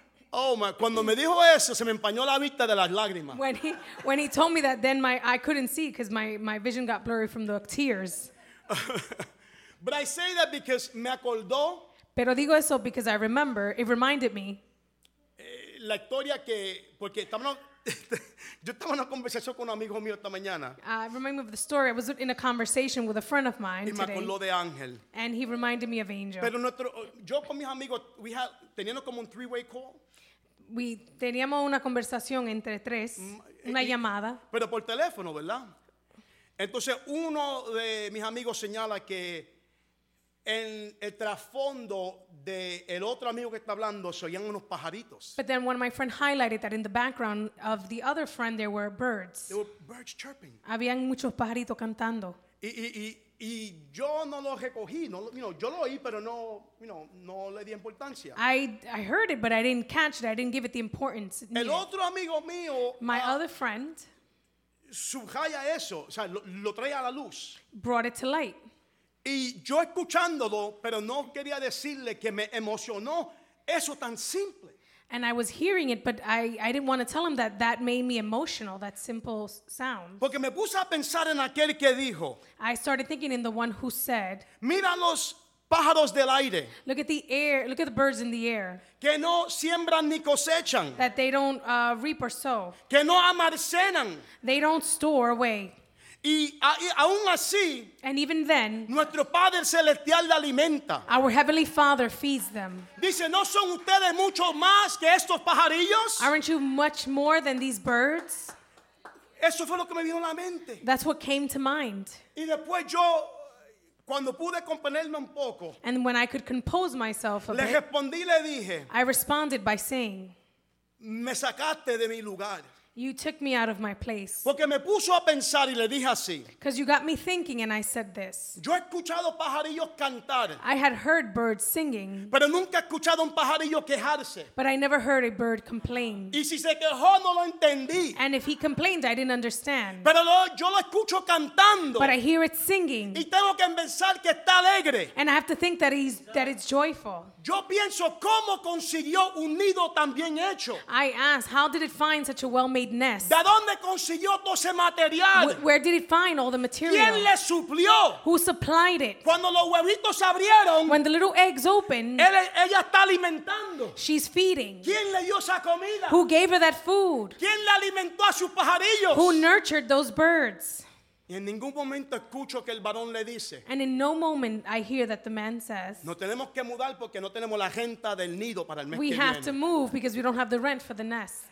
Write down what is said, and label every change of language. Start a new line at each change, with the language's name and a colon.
English: Oh my,
Spanish: cuando me dijo eso, se me empañó la vista de las lágrimas. When he told me that, then I couldn't see because my vision got blurry from the tears.
English: But I say that because
Spanish: me acordó. Pero digo eso
English: because I remember, it reminded me.
Spanish: La historia que, porque yo estaba en una conversación con un amigo mío esta mañana. I remind me of the story. I was in a conversation with a friend of mine today. Y me acordó de Ángel. And he reminded me of Angel. Pero nuestro, yo con mis amigos,
English: we had,
Spanish: teniendo como un three-way call. We teníamos una conversación entre tres, una llamada. Pero por teléfono, ¿verdad? Entonces uno de mis amigos señala que en el trasfondo de el otro amigo que está hablando se oían unos pajaritos.
English: But then one of my friend highlighted that in the background of the other friend there were birds. There were birds chirping.
Spanish: Habían muchos pajaritos cantando. Y yo no lo recogí, no, you know, yo lo oí, pero no, you know, no le di importancia.
English: I heard it, but I didn't catch it. I didn't give it the importance.
Spanish: El yeah. otro amigo mío,
English: my other friend,
Spanish: subraya eso, o sea, lo trae a la luz.
English: Brought it to light.
Spanish: Y yo escuchándolo, pero no quería decirle que me emocionó eso tan simple.
English: And I was hearing it, but I didn't want to tell him that made me emotional, that simple sound.
Spanish: Porque me puse a pensar en aquel que dijo.
English: I started thinking in the one who said,
Spanish: mira los pájaros del aire.
English: Look at the air, look at the birds in the air.
Spanish: Que no siembran ni cosechan.
English: That they don't reap or sow.
Spanish: Que no almacenan.
English: They don't store away.
Spanish: Y aún así,
English: and even then,
Spanish: nuestro Padre Celestial le alimenta.
English: Our Heavenly Father feeds them.
Spanish: Dice, ¿no son ustedes mucho más que estos pajarillos?
English: Aren't you much more than these birds?
Spanish: Eso fue lo que me vino a la mente.
English: That's what came to mind.
Spanish: Y después yo, cuando pude componerme un poco,
English: and when I could compose myself a
Spanish: le
English: bit,
Spanish: respondí, le dije,
English: I responded by saying,
Spanish: me sacaste de mi lugar.
English: You took me out of my place.
Spanish: Porque me puso a pensar y le dije así.
English: Because you got me thinking and I said this.
Spanish: Yo he escuchado pajarillos cantar.
English: I had heard birds singing.
Spanish: Pero nunca he escuchado un pajarillo quejarse.
English: But I never heard a bird complain.
Spanish: Y si se quejó, no lo entendí.
English: And if he complained, I didn't understand.
Spanish: Pero yo lo escucho cantando.
English: But I hear it singing.
Spanish: Y tengo que pensar que está alegre.
English: And I have to think that he's that it's joyful.
Spanish: Yo pienso, ¿cómo consiguió un nido tan bien hecho?
English: I ask, how did it find such a well-made nest?
Spanish: ¿De dónde consiguió todo ese material?
English: Where did it find all the material?
Spanish: ¿Quién le suplió?
English: Who supplied it?
Spanish: Cuando los huevitos se abrieron,
English: when the little eggs opened,
Spanish: ella está alimentando.
English: She's feeding.
Spanish: ¿Quién le dio esa comida?
English: Who gave her that food?
Spanish: ¿Quién le alimentó a sus pajarillos?
English: Who nurtured those birds?
Spanish: Y en ningún momento escucho que el varón le dice.
English: And in no moment I hear that the man says.
Spanish: No tenemos que mudar porque no tenemos la renta del nido para el mes que
English: viene. We have to move because we don't have the rent for the nest.